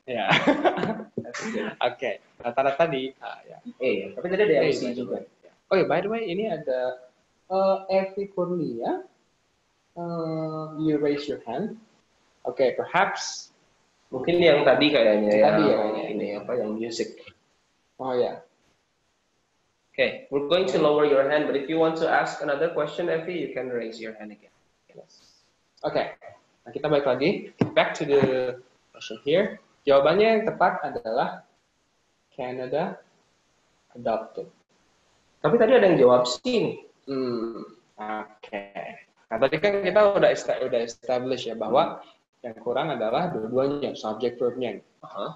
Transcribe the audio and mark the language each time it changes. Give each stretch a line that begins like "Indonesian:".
Indonesian: Ya. Oke. Rata-rata di A. Tapi tadi ada yang C juga.
English: Yeah. Oh ya, yeah, by the way,
Indonesian: ini ada
English: Evi Kurnia, you raise your hand. Oke, okay, perhaps
Indonesian: mungkin yang tadi kayaknya ya. Tadi yang ini apa yang music? Oh ya. Yeah.
English: Oke, okay, we're going to lower your hand, but if you want to ask another question, Evi, you can raise your hand again. Yes.
Indonesian: Oke, okay. Nah, kita balik lagi.
English: Back to the question here.
Indonesian: Jawabannya yang tepat adalah Canada adopted. Tapi tadi ada yang jawab sing. Oke. Okay. Nah, tadi kan kita udah establish ya bahwa yang kurang adalah dua-duanya subject verb-nya. Uh-huh.